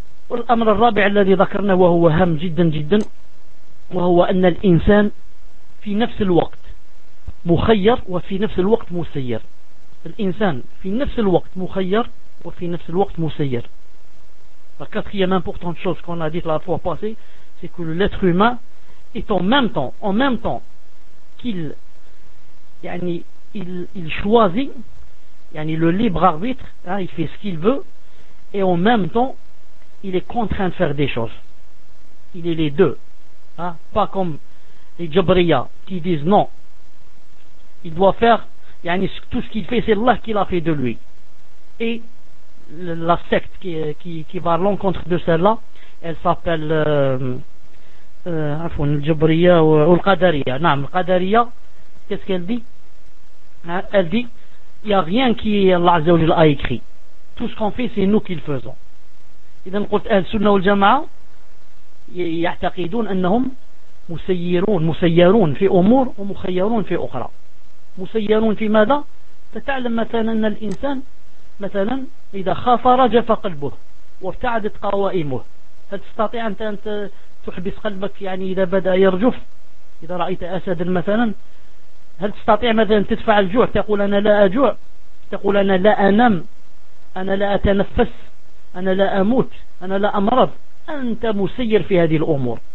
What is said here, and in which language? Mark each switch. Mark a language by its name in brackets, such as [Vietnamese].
[Arabic] الأمر الرابع الذي ذكرنا وهو هام جدا جدا وهو أن الإنسان في نفس الوقت مخير وفي نفس الوقت مسير. الإنسان في نفس الوقت مخير وفي نفس الوقت مسير. [French] La quatrième importante chose qu'on a dit la fois passée, c'est que l'être humain est en même temps qu'il يعني il choisit يعني le libre arbitre, hein, il fait ce qu'il veut, et en même temps il est contraint de faire des choses. Il est les deux, hein? Pas comme les Jabriya qui disent non, il doit faire yani, tout ce qu'il fait c'est Allah qui l'a fait de lui, et la secte qui va à l'encontre de celle-là elle s'appelle Jabriya ou Al-Qadariya. Non, Al-Qadariya, qu'est-ce qu'elle dit, hein? Elle dit il n'y a rien qui Allah Azza wa Jalla a écrit, tout ce qu'on fait c'est nous qui le faisons. [Arabic] إذن قلت أهل السنة والجماعة يعتقدون أنهم مسيرون في أمور ومخيرون في أخرى. مسيرون في ماذا؟ فتعلم مثلا أن الإنسان مثلا إذا خاف رجف قلبه وارتعدت قوائمه، هل تستطيع أنت أن تحبس قلبك يعني إذا بدأ يرجف؟ إذا رأيت أسدا مثلا هل تستطيع مثلا أن تدفع الجوع، تقول أنا لا أجوع، تقول أنا لا أنام، أنا لا أتنفس، أنا لا أموت، أنا لا أمرض، أنت مسير في هذه الأمور.